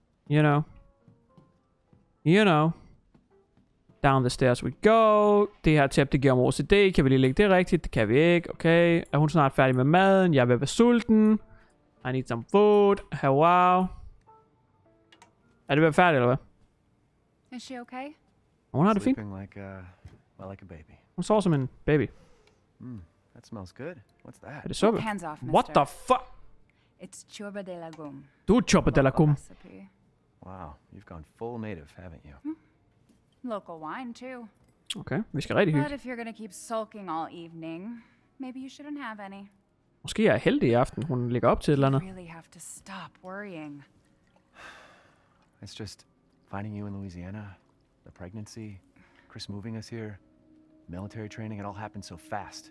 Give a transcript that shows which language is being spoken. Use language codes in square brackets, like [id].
[en] You know. Down the stairs we go. [da] Det her tæppe, det giver om OCD. Kan vi lige lægge det rigtigt? Det kan vi ikke. Okay. Er hun snart færdig med maden? Jeg vil være sulten. [en] I need some food. Wow. [da] Er det ved at være færdig, eller hvad? [en] Is she okay? [da] Hun har det fint. [en] Sleeping like a, well, like a baby. [da] Hun sover som en baby. [en] Mm, that smells good. What's that? [da] Er det suppe? [en] Hands off, what mister. The fuck? It's chorba de legum. [da] Du er chorba de legum. [en] Wow, you've gone full native, haven't you? Mm. Local wine too. [da] Okay, vi skal rigtig hygge. [en] But if you're gonna keep sulking all evening, maybe you shouldn't have any. [da] Måske er jeg heldig i aften. Hun ligger op til et eller andet. [en] You really have to stop worrying. It's just finding you in Louisiana, the pregnancy, Chris moving us here, military training, it all happened so fast.